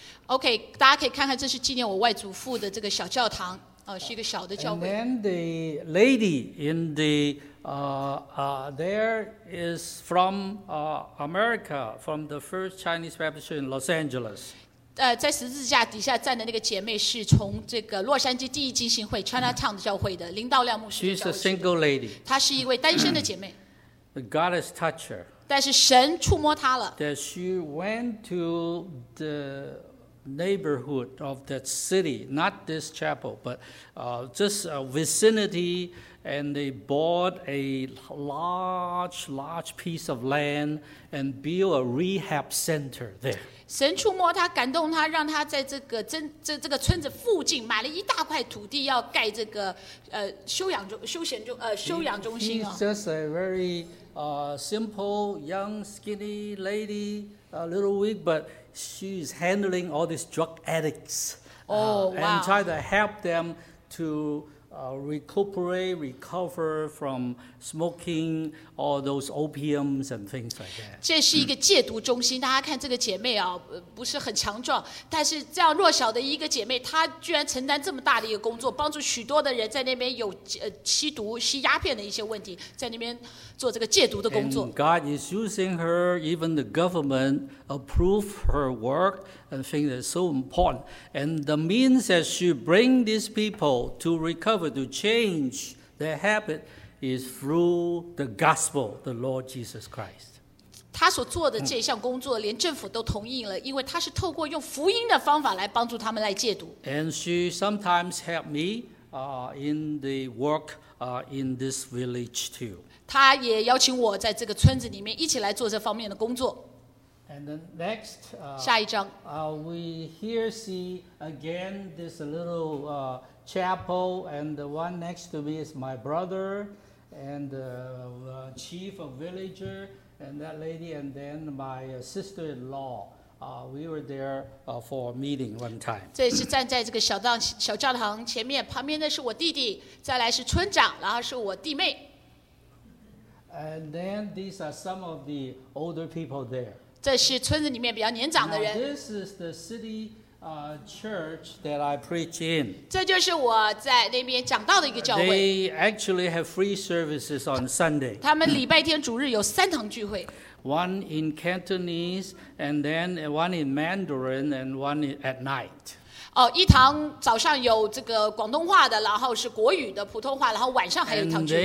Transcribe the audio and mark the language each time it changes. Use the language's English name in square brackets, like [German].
[Chinese] Okay, 大家可以看看，这是纪念我外祖父的这个小教堂。是一个小的教会。 [English] And then the lady in the there is from America, from the First Chinese Baptist in Los Angeles. [Chinese] 在十字架底下站的那个姐妹是从这个洛杉矶第一浸信会 Chinatown 的教会的林道亮牧师。 [English] She's a single lady. [Chinese] 她是一位单身的姐妹。 [English] God has touched her. [Chinese] 但是神触摸她了。 [English] That she went to the neighborhood of that city, not this chapel, but just a vicinity. And they bought a large piece of land and built a rehab center there. [Chinese] 神触摸他，感动他，让他在这个这个村子附近买了一大块土地，要盖这个休养中心啊。 [English] He's just a very simple, young, skinny lady, a little weak, but she's handling all these drug addicts. Oh, wow. And try to help them to. recuperate, recover from smoking all those opiums and things like that. [Chinese] 这是一个戒毒中心，大家看这个姐妹啊，不是很强壮，但是这样弱小的一个姐妹，她居然承担这么大的一个工作，帮助许多的人在那边有吸毒、吸鸦片的一些问题，在那边做这个戒毒的工作。 [English] And God is using her, even the government approve her work. And I think that's so important. And the means that she brings these people to recover, to change their habit, is through the gospel, the Lord Jesus Christ. [Chinese] 她所做的这项工作，连政府都同意了，因为她是透过用福音的方法来帮助他们来戒毒。 [English] And she sometimes helped me in the work in this village too. [Chinese] 她也邀请我在这个村子里面一起来做这方面的工作。 [English] And then next, [Chinese] 下一章 [English] we here see again this little chapel, and the one next to me is my brother, and the chief of villager, and that lady, and then my sister-in-law. We were there for a meeting one time. [Chinese] 这是站在这个小教堂前面，旁边的是我弟弟，再来是村长，然后是我弟妹。 [English] And then these are some of the older people there. [Chinese] 这是村子里面比较年长的人。 [English] Now, this is the city, church that I preach in. [Chinese] 这就是我在那边讲到的一个教会。 [English] They actually have free services on Sunday. [Chinese] 他们礼拜天主日有三堂聚会。 [English] One in Cantonese, and then one in Mandarin, and one at night. [Chinese] 哦，一堂早上有这个广东话的，然后是国语的普通话，然后晚上还有一堂聚会。